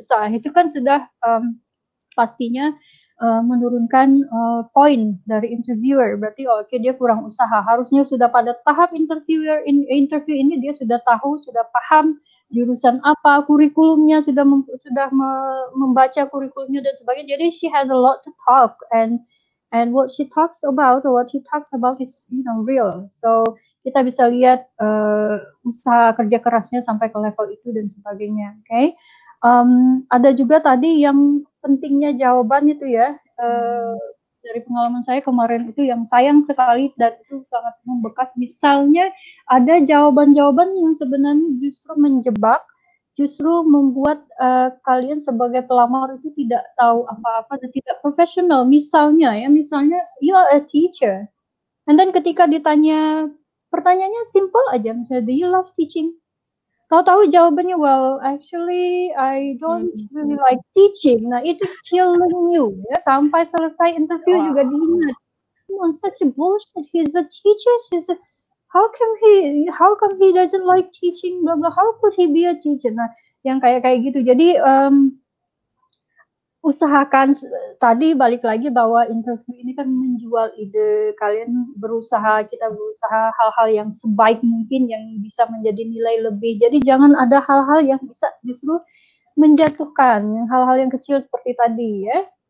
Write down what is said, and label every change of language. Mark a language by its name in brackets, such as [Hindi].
[Indonesian] So, itu kan sudah pastinya, menurunkan poin dari interviewer, berarti okay, dia kurang usaha. Harusnya sudah pada tahap interview ini dia sudah tahu, sudah paham jurusan apa, kurikulumnya sudah membaca kurikulumnya dan sebagainya. [English] Jadi she has a lot to talk and what she talks about or what she talks about is, you know, real. [Indonesian] So kita bisa lihat usaha kerja kerasnya sampai ke level itu dan sebagainya. Okay. Ada juga tadi yang pentingnya jawaban itu ya, dari pengalaman saya kemarin itu yang sayang sekali dan itu sangat membekas. Misalnya ada jawaban-jawaban yang sebenarnya justru menjebak, justru membuat kalian sebagai pelamar itu tidak tahu apa-apa dan tidak profesional. Misalnya ya, misalnya [English] you are a teacher, And then [Indonesian] ketika ditanya, pertanyaannya [English] simple [Indonesian] aja, misalnya, [English] do you love teaching? [Indonesian] Tahu-tahu jawabannya, [English] well, actually, I don't really like teaching. [Indonesian] Nah, itu [English] killing you, [Indonesian] ya, sampai selesai interview juga diingat. [English] Come on, such a bullshit, he's a teacher, he's a, how come he doesn't like teaching, blah, blah, how could he be a teacher? [Indonesian] Nah, yang kayak-kayak gitu, jadi, usahakan tadi balik lagi bahwa interview ini kan menjual ide kalian, berusaha, kita berusaha hal-hal yang sebaik mungkin yang bisa menjadi nilai lebih. Jadi jangan ada hal-hal yang bisa justru menjatuhkan, hal-hal yang kecil seperti tadi ya.